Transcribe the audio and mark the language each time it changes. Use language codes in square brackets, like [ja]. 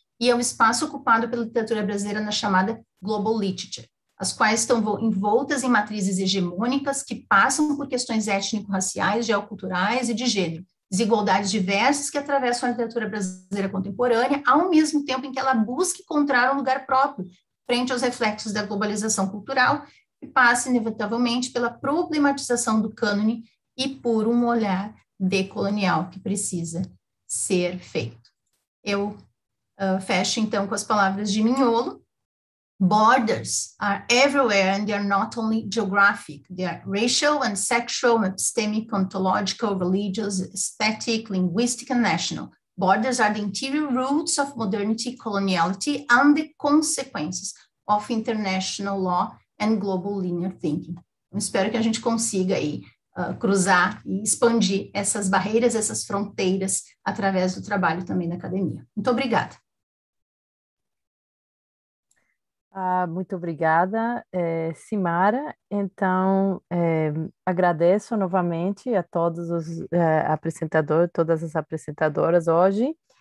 [pt] e ao espaço ocupado pela literatura brasileira na chamada Global Literature, as quais estão envoltas em matrizes hegemônicas que passam por questões étnico-raciais, geoculturais e de gênero, desigualdades diversas que atravessam a literatura brasileira contemporânea, ao mesmo tempo em que ela busca encontrar um lugar próprio frente aos reflexos da globalização cultural, que passa inevitavelmente pela problematização do cânone e por um olhar decolonial que precisa ser feito. Eu fecho então com as palavras de Mignolo. [en] Borders are everywhere and they are not only geographic. They are racial and sexual, epistemic, ontological, religious, aesthetic, linguistic and national. Borders are the interior roots of modernity, coloniality and the consequences of international law and global linear thinking. [pt] Eu espero que a gente consiga aí cruzar e expandir essas barreiras, essas fronteiras através do trabalho também na academia. Muito obrigada. Muito obrigada, Simara. Então, agradeço novamente a todos os apresentadores, todas as apresentadoras hoje.